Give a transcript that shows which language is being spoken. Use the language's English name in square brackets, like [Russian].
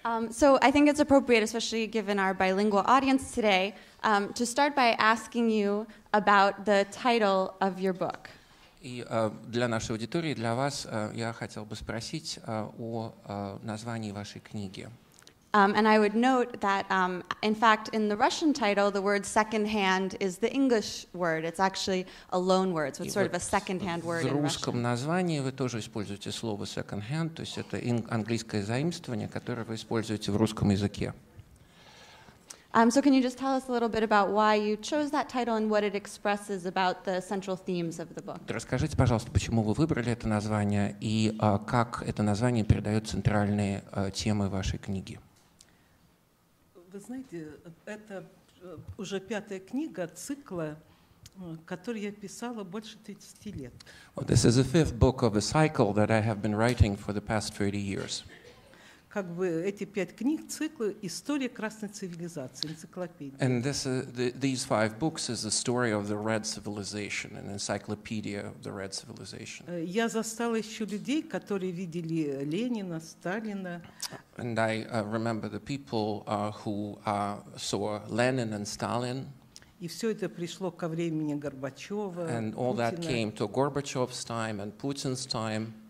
[English] So I think it's appropriate, especially given our bilingual audience today, to start by asking you about the title of your book. [Russian] И для нашей аудитории, для вас, я хотел бы спросить о названии вашей книги. [English] And I would note that, in fact, in the Russian title, the word secondhand is the English word. It's actually a loan word, so it's sort of a secondhand word in Russian. [Russian] В русском названии вы тоже используете слово secondhand, то есть это английское заимствование, которое вы используете в русском языке. [English] So can you just tell us a little bit about why you chose that title and what it expresses about the central themes of the book? [Russian] Расскажите, пожалуйста, почему вы выбрали это название и как это название передает центральные темы вашей книги? Вы знаете, это уже пятая книга цикла, который я писала больше 30 лет. [English] Well, this is the fifth book of a cycle that I have been writing for the past 30 years. [Russian] Как бы эти пять книг цикла «История красной цивилизации», энциклопедия. [English] And this, these five books is the story of the Red Civilization, an encyclopedia of the Red Civilization. [Russian] Я застала еще людей, которые видели Ленина, Сталина. [English] And I remember the people who saw Lenin and Stalin. [Russian] И все это пришло ко времени Горбачева, [English] And all [Russian] Путина. [English] That came to Gorbachev's time and Putin's time.